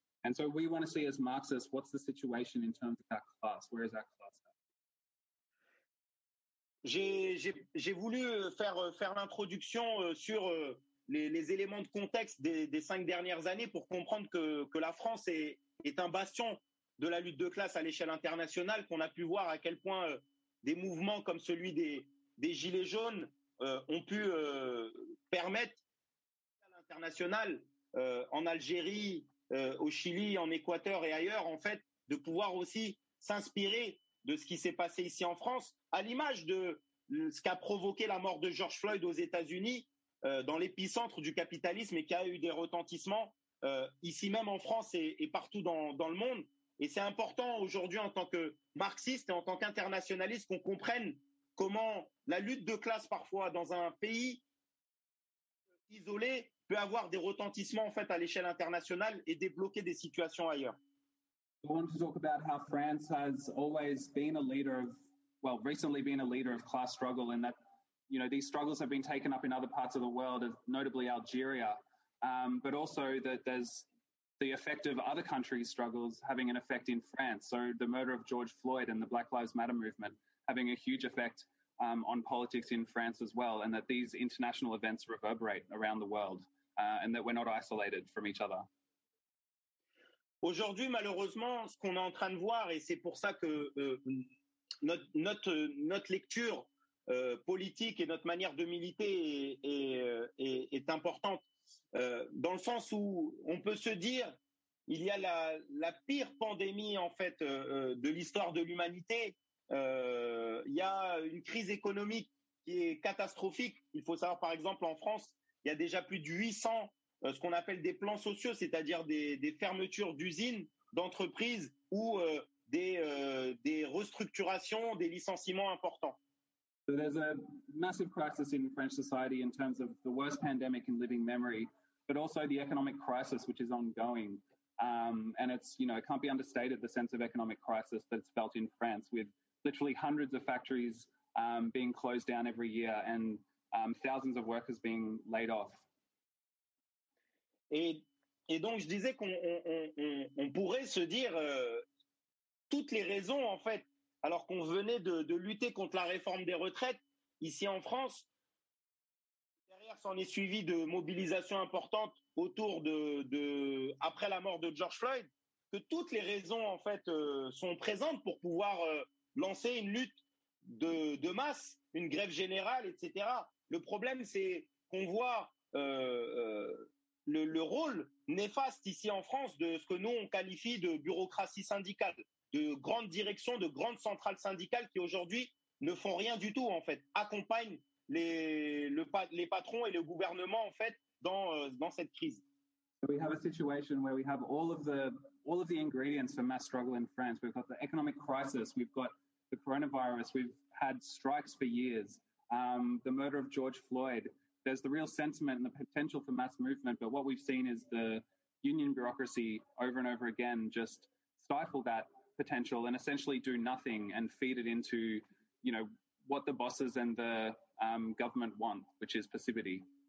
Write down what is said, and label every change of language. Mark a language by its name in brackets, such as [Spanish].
[English] And so we want to see as Marxists, what's the situation in terms of that class? Where is that class at? [French] J'ai voulu faire l'introduction sur les éléments de contexte des cinq dernières années pour comprendre que la France est un bastion de la lutte de classe à l'échelle internationale, qu'on a pu voir à quel point des mouvements comme celui des Gilets jaunes ont pu permettre à l'international, en Algérie, au Chili, en Équateur et ailleurs, en fait, de pouvoir aussi s'inspirer de ce qui s'est passé ici en France, à l'image de ce qu'a provoqué la mort de George Floyd aux États-Unis, dans l'épicentre du capitalisme, et qui a eu des retentissements ici même en France et partout dans le monde. Et c'est important aujourd'hui, en tant que marxiste et en tant qu'internationaliste, qu'on comprenne comment la lutte de classe, parfois dans un pays isolé, peut avoir des retentissements en fait à l'échelle internationale et débloquer des situations ailleurs. [English] I want to talk about how France has always been a leader of, well, recently been a leader of class struggle, and that, you know, these struggles have been taken up in other parts of the world, notably Algeria, but also that there's the effect of other countries' struggles having an effect in France. So the murder of George Floyd and the Black Lives Matter movement having a huge effect on politics in France as well, and that these international events reverberate around the world, and that we're not isolated from each other. [French] Aujourd'hui, malheureusement, ce qu'on est en train de voir, et c'est pour ça que notre lecture politique et notre manière de militer est importante, dans le sens où on peut se dire il y a la pire pandémie en fait de l'histoire de l'humanité. Il y a une crise économique qui est catastrophique. Il faut savoir, par exemple, en France, il y a déjà plus de 800 ce qu'on appelle des plans sociaux, c'est-à-dire des fermetures d'usines, d'entreprises ou des restructurations, des licenciements importants. [English] So there's a massive crisis in French society in terms of the worst pandemic in living memory, but also the economic crisis which is ongoing. And it's, you know, it can't be understated, the sense of economic crisis that's felt in France, with literally hundreds of factories being closed down every year and thousands of workers being laid off. [French] Et donc je disais qu'on pourrait se dire toutes les raisons en fait alors qu'on venait de lutter contre la réforme des retraites ici en France. Derrière, s'en est suivi de mobilisations importantes autour de après la mort de George Floyd, que toutes les raisons en fait sont présentes pour pouvoir lancer une lutte de masse, une grève générale, etc. Le problème, c'est qu'on voit le rôle néfaste ici en France de ce que nous on qualifie de bureaucratie syndicale, de grandes directions, de grandes centrales syndicales qui aujourd'hui ne font rien du tout en fait, accompagnent les patrons et le gouvernement en fait dans cette crise. [English] We have a situation where we have all of the ingredients for mass struggle in France. We've got the economic crisis, we've got the coronavirus, we've had strikes for years, the murder of George Floyd. There's the real sentiment and the potential for mass movement, but what we've seen is the union bureaucracy over and over again just stifle that potential and essentially do nothing and feed it into, you know, what the bosses and the government want, which is passivity.